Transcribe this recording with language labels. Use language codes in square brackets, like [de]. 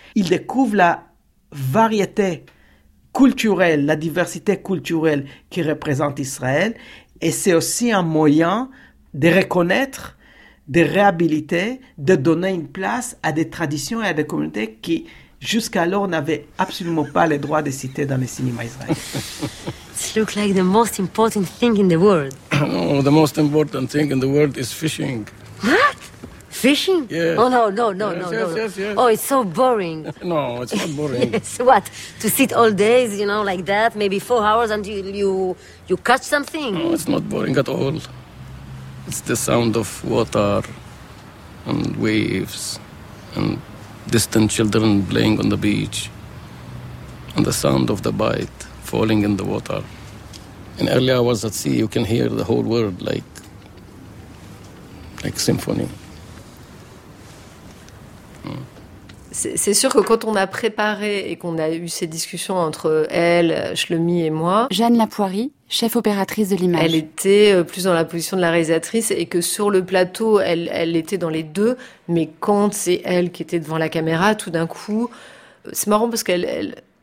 [fr] Il découvre la variété culturelle, la diversité culturelle qui représente Israël. Et c'est aussi un moyen de reconnaître, de réhabiliter, de donner une place à des traditions et à des communautés qui, jusqu'alors, n'avaient absolument pas le droit de citer dans le cinéma israélien. [en] It looks like the most important thing in the world. Oh, the most important thing in the world is fishing. What? Fishing? Yes. Oh, no. Yes. Oh, it's so boring. No, it's not boring. Yes, what? To sit all days, you know, like that, maybe 4 hours until you catch something? No, it's not boring at all. It's the sound of water and waves and distant children playing on the beach and the sound of the bite falling in the water. In early hours at sea, you can hear the whole world like symphony. [fr] C'est sûr que quand on a préparé et qu'on a eu ces discussions entre elle, Shlomi et moi, Jeanne Lapoiry, chef opératrice de l'image, elle était plus dans la position de la réalisatrice et que sur le plateau, elle était dans les deux. Mais quand c'est elle qui était devant la caméra, tout d'un coup, c'est marrant parce qu'elle...